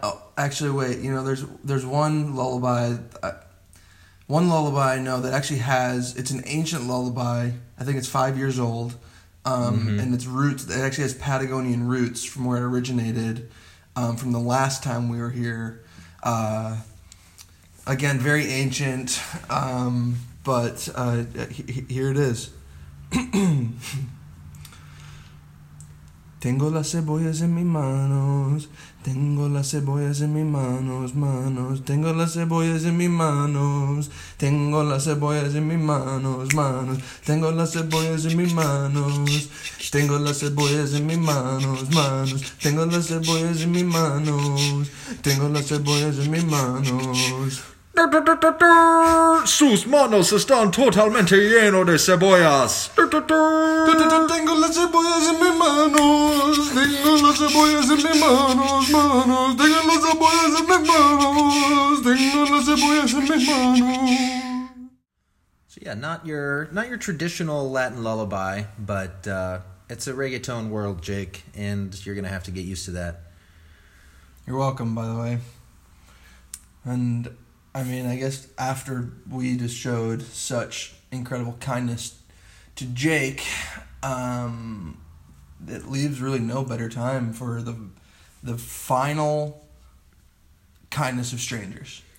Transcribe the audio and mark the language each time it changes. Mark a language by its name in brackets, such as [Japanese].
[English] Oh, actually, wait, you know, there's one lullaby. One lullaby I know that actually has, it's an ancient lullaby, I think it's 5 years old, and its roots, it actually has Patagonian roots from where it originated, from the last time we were here. Again, very ancient, here it is. [Spanish] Tengo las cebollas en mis manos. Tengo las cebollas en mis manos. Tengo las cebollas en mis manos. Tengo las cebollas en mis manos. Tengo las cebollas en mis manos. Tengo las cebollas en mis manos. Tengo las cebollas en mis manos. Tengo las cebollas en mis manos. Sus manos están totalmente llenos de cebollas. Tengo las cebollas en mis manos. Tengo las cebollas en mis manos, manos. Tengo las cebollas en mis manos. Tengo las cebollas en mis manos. [English] So yeah, not your traditional Latin lullaby, but it's a reggaeton world, Jake, and you're gonna have to get used to that. You're welcome, by the way. And I mean, I guess after we just showed such incredible kindness to Jake, it leaves really no better time for the final kindness of strangers.